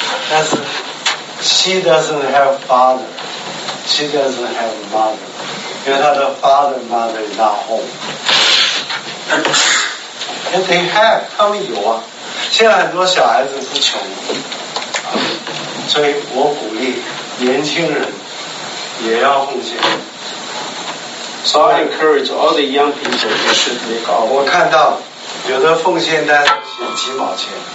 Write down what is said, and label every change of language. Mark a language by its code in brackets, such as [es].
[zh] 但是 [en] she doesn't have mother， [zh] 因为她的 [en] father mother is not home。 And they have， [zh] 他们有啊。现在很多小孩子不穷，所以我鼓励年轻人也要奉献。 [en] So I encourage all the young people to should make offering. [zh] 我看到有的奉献单写几毛钱，